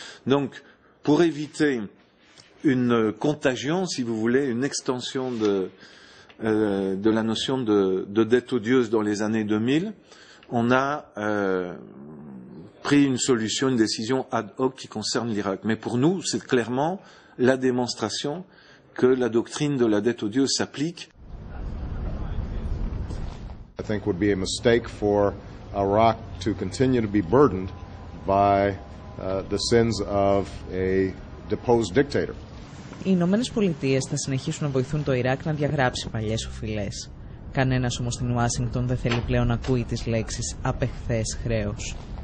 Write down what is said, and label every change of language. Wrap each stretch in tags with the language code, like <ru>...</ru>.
<fr>Donc, pour éviter une contagion, si vous voulez, une extension de la notion de dette odieuse dans les années 2000, on a pris une solution, une décision ad hoc qui concerne l'Irak. Mais pour nous, c'est clairement la démonstration que la doctrine de la dette odieuse s'applique.</fr> <en>I think it would be a mistake for Iraq to continue to be burdened by the sins of a deposed dictator.</en> <el>Οι Ηνωμένες Πολιτείες θα συνεχίσουν να βοηθούν το Ιράκ να διαγράψει παλιές οφειλές. Κανένας όμως στην Ουάσιγκτον δεν θέλει πλέον να ακούει τις λέξεις «απεχθές χρέος».</el>